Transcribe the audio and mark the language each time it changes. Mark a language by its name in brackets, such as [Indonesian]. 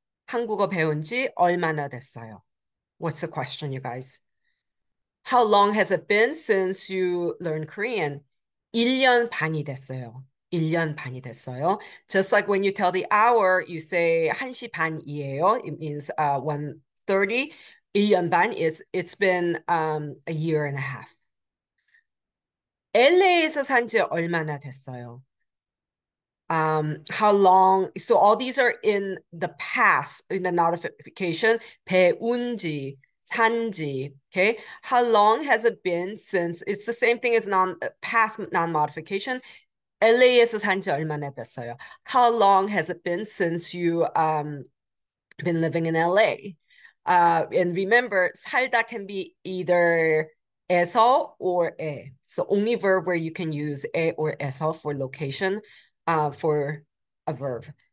[Korean] 한국어 배운 지 얼마나 됐어요? [English] What's the question, you guys? How long has it been since you learned Korean? [Korean] 1년 반이 됐어요. 1년 반이 됐어요. [English] Just like when you tell the hour, you say [Korean] 1시 반이에요. [English] It means 1:30. [Korean] 1년 반 [English] is it's been a year and a half. [Korean] LA에서 산 지 얼마나 됐어요? [English] How long? So all these are in the past, in the notification. [Korean] 배운 지, 산 지. [English] Okay. How long has it been since? It's the same thing as past non-modification. [Korean] LA에서 산 지 얼마나 됐어요? [English] How long has it been since you been living in LA? And remember, 살다 can be either 에서 or 에. So only verb where you can use 에 or 에서 for location, for a verb.